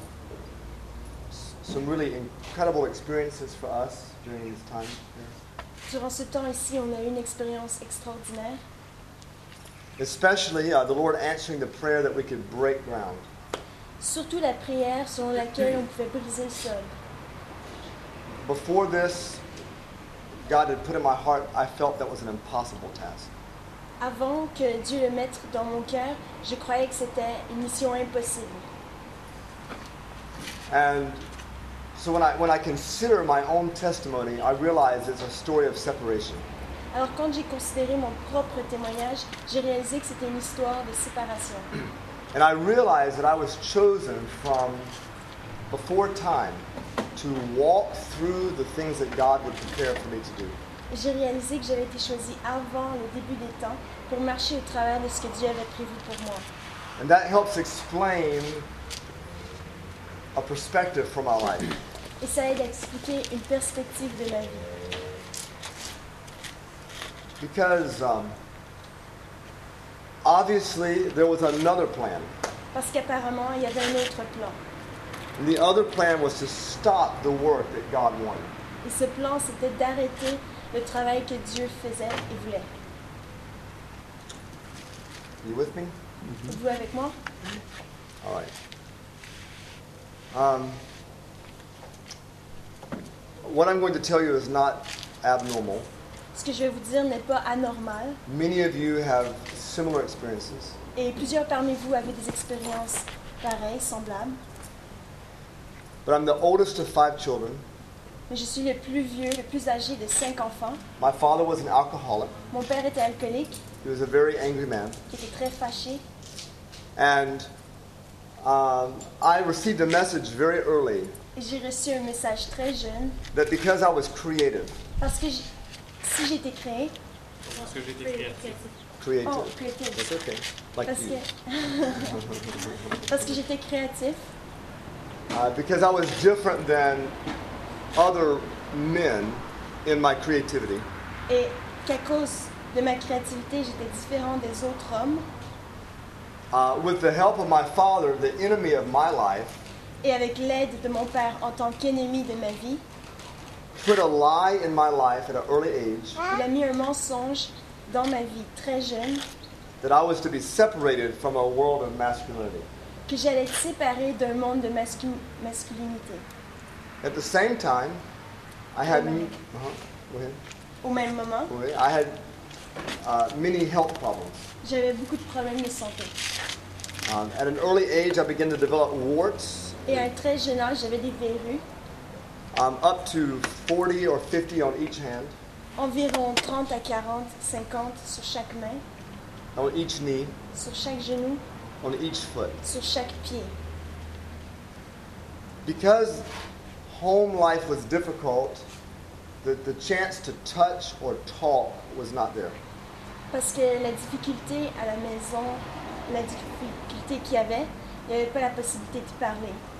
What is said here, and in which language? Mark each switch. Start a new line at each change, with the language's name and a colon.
English: We've had some really incredible experiences for us during this time.
French: Durant ce temps ici, on a eu une expérience extraordinaire.
English: Especially the Lord answering the prayer that we could break ground.
French: Surtout la prière selon laquelle on pouvait briser le sol.
English: Before this, God had put in my heart, I felt that was an impossible task.
French: Avant que Dieu le mette dans mon cœur, je croyais que c'était une mission impossible.
English: And so when I consider my own testimony, I realize it's a story of separation.
French: Alors quand j'ai considéré mon propre témoignage, j'ai réalisé que c'était une histoire de séparation.
English: And I realized that I was chosen from before time to walk through the things that God would prepare for me to do.
French: J'ai réalisé que j'avais été choisi avant le début des temps pour marcher au travers de ce que Dieu avait prévu pour moi.
English: And that helps explain a perspective for my life.
French: Et ça aide à expliquer une perspective de ma vie.
English: Because obviously there was another plan.
French: Parce qu'apparemment il y avait un autre plan.
English: And the other plan was to stop the work that God wanted.
French: Et ce plan c'était d'arrêter le travail que Dieu faisait et voulait.
English: Are you with me?
French: Mm-hmm. Vous avec moi?
English: Mm-hmm. All right. What I'm going to tell you is not abnormal.
French: Ce que je vais vous dire n'est pas anormal.
English: Many of you have similar experiences.
French: Et plusieurs parmi vous avaient des expériences pareilles, semblables.
English: But I'm the oldest of five children.
French: Mais je suis le plus vieux, le plus âgé de cinq enfants.
English: My father was an alcoholic.
French: Mon père était alcoolique.
English: He was a very angry man.
French: Il était très fâché.
English: And I received a message very early.
French: Et j'ai reçu un message très jeune.
English: That because I was creative.
French: Parce que si j'étais créé. Parce que j'étais créatif.
English: Creative. Oh, creative. That's okay. Like
French: you. Parce que j'étais créatif.
English: Because I was different than other men in my creativity.
French: Et qu'à cause de ma créativité, j'étais différent des autres hommes.
English: With the help of my father, the enemy of my life.
French: Et avec l'aide de mon père en tant qu'ennemi de ma vie.
English: Put a lie in my life at an early age.
French: Il a mis un mensonge dans ma vie très jeune.
English: That I was to be separated from a world of masculinity.
French: Que j'allais être séparé d'un monde de masculinité.
English: At the same time, I had many health problems.
French: J'avais beaucoup de problèmes de santé.
English: At an early age, I began to develop warts.
French: Et à un très jeune âge, j'avais des verrues.
English: Up to 40 or 50 on each hand.
French: Environ 30 à 40, 50 sur chaque main.
English: On each knee.
French: Sur chaque genou.
English: On each foot.
French: Sur chaque pied.
English: Because home life was difficult, the chance to touch or talk was not there.
French: Parce que la difficulté à la maison, la difficulté qu'il y avait, il n'y avait pas la possibilité d'y parler.